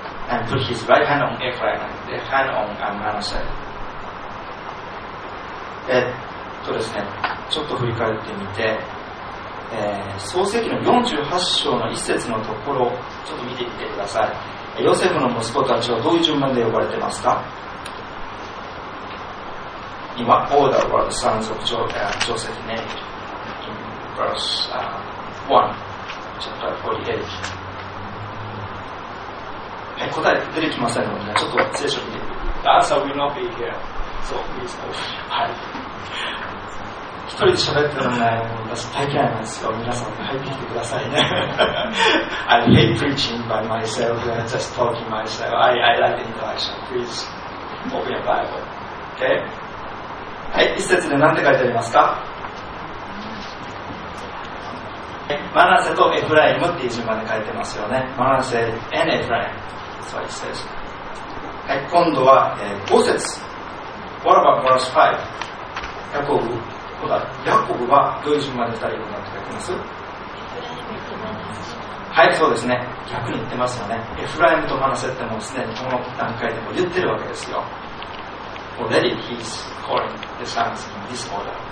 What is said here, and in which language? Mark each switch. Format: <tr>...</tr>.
<en>And put his right hand on Ephraim and left hand on Manasseh.</en> <ja>ですね、ちょっと振り返ってみて、創世記の48章の1節のところをちょっと見てみてください。ヨセフの息子たちはどういう順番で呼ばれてますか？今、</ja> <en>order were the sons of Joseph named in verse 1, chapter 48.</en> <ja>答え出てきませんので、ね、ちょっと聖書見てみて。</ja> <en>Answer will not be here. So please go.</en> <ja>はい。一人で喋ってるのね、もう私大嫌いなんですよ。皆さん入ってきてくださいね。</ja> <en>I hate preaching by myself and just talking myself. I like interaction. Please open your Bible. Okay?</en> <ja>はい、一節で何て書いてありますか？マナセとエフライムっていう順番で書いてますよね。マナセ and エフライム。</ja> <en>So it says.</en> <ja>はい、今度は、5節。</ja> <en>What about verse 5?</en> <ja>ヤコブはどういう順番で2人を言ってます？はい、そうですね。逆に言ってますよね。エフライムとマナセってもうすでにこの段階でも言ってるわけですよ。</ja> <en>Already he's calling the sons in this order.</en>